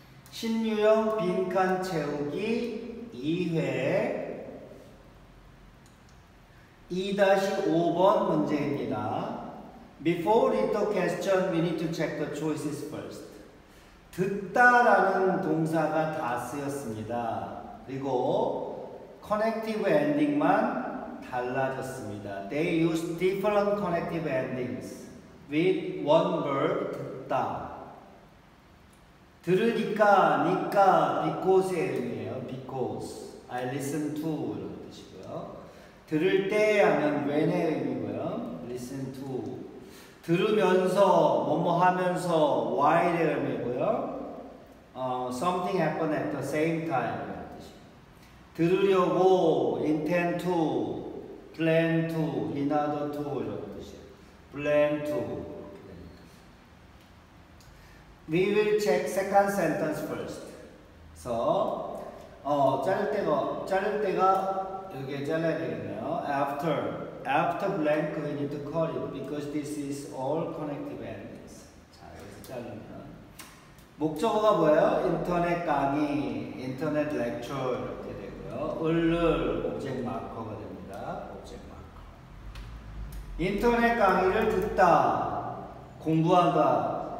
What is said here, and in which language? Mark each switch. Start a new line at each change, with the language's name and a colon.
Korean: 신유형 빈칸 채우기 2회 2-5번 문제입니다.
English: Before read the question, we need to check the choices first.
Korean: 듣다라는 동사가 다 쓰였습니다. 그리고 connective ending만 달라졌습니다.
English: They use different connective endings with one verb, 듣다.
Korean: 들으니까, 니까, because의 의미예요. Because.
English: I listen to.
Korean: 이런 뜻이고요. 들을 때 하면 when의 의미고요.
English: Listen to.
Korean: 들으면서, 뭐뭐 하면서, while의 의미고요.
English: Something happen at the same time.
Korean: 이런 뜻이에요.
English: 들으려고, intend to, plan to, in order to. 이런 뜻이에요. Plan to. We will check second sentence first.
Korean: So, 자를 때가 여기에 잘라야 되겠네요.
English: After blank, we need to call it because this is all connective endings.
Korean: 자, 여기서 자르면. 목적어가 뭐예요? 인터넷 강의, 인터넷 렉처 이렇게 되고요. 을, 오브젝트 마커가 됩니다. 오브젝트 마커. 인터넷 강의를 듣다, 공부하다.